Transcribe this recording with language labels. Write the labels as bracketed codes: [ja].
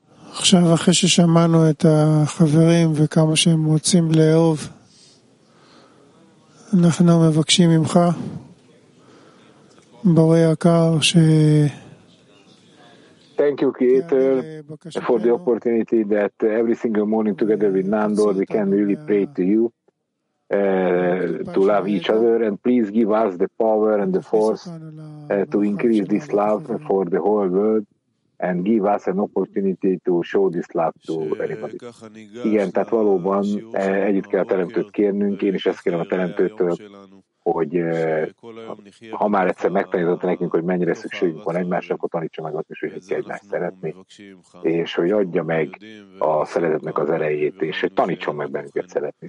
[he] עכשיו אחרי ששמענו את החברים וכמה שהם רוצים לאהוב אנחנו מבקשים ממך בורא יקר ש [en] Thank you, Creator, for the opportunity that every single morning together with Nando we can really pray to you to love each other and please give us the power and the force to increase this love for the whole world and give us an opportunity to show this love to anybody. [hu] Igen, tehát valóban együtt kell a teremtőt kérnünk, én is ezt kérem a teremtőtől, hogy ha már egyszer megtanította nekünk, hogy mennyire szükségünk van egymásra, akkor tanítsa meg azt is, hogy kell egymást szeretni, és hogy adja meg a szeretetnek az erejét, és hogy tanítson meg bennünket szeretni.